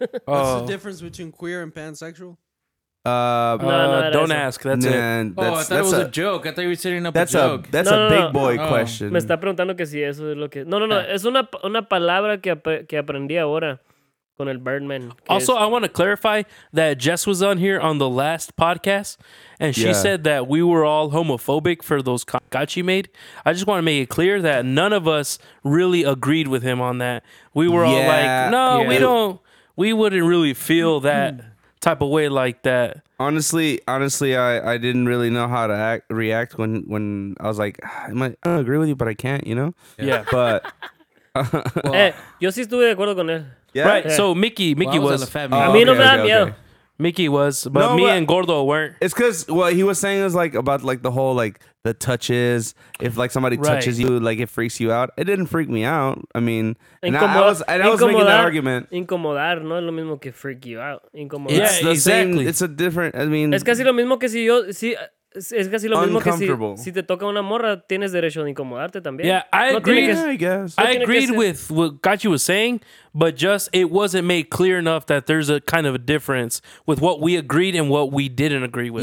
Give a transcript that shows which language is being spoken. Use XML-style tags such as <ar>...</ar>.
<en>What's the difference between queer and pansexual? Don't ask. That's it. I thought it was a joke. I thought you were setting up a joke. That's a big boy question.</en> <es>Me está preguntando que si eso es lo que. No. Es una palabra que aprendí ahora con el Birdman.</es> <en>Also, I want to clarify that Jess was on here on the last podcast, and she said that we were all homophobic for those comments she made. I just want to make it clear that none of us really agreed with him on that. We were all like, no, we don't. We wouldn't really feel that. Type of way like that. Honestly, I didn't really know how to react when I was like, I agree with you, but I can't, you know? Yeah. But.</en> <es>Yo sí estuve de acuerdo con él.</es> <en>Yeah. Right. So Mickey well, was. Oh,</en> <es>okay, a mí no me da miedo.</es> <en>Mickey was, but me and Gordo weren't. It's because what he was saying is like about like the whole like the touches. If like somebody touches you, like it freaks you out. It didn't freak me out. I mean, I was making that argument.</en> <es>Incomodar no es lo mismo que</es> <en>freak you out.</en> <es>Incomodar.</es> <en>It's the same. It's a different. I mean,</en> <es>es casi lo mismo que si yo si es casi lo mismo que si te toca una morra tienes derecho de incomodarte también.</es> <en>Yeah, I agreed. Yeah, I guess I agreed with what Gachi was saying. But just, it wasn't made clear enough that there's a kind of a difference with what we agreed and what we didn't agree with.</en>